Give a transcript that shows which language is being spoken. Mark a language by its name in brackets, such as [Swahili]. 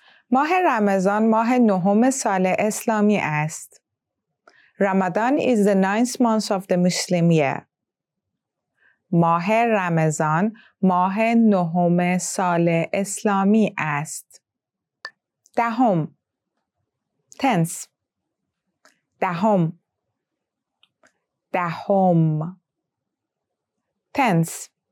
[Persian] ماه رمضان ماه نهم سال اسلامی است. [English] Ramadan is the ninth month of the Muslim year. [Persian] ماه رمضان ماه نهم سال اسلامی است. دهم. Tenth. دهم. دهم. Tenth.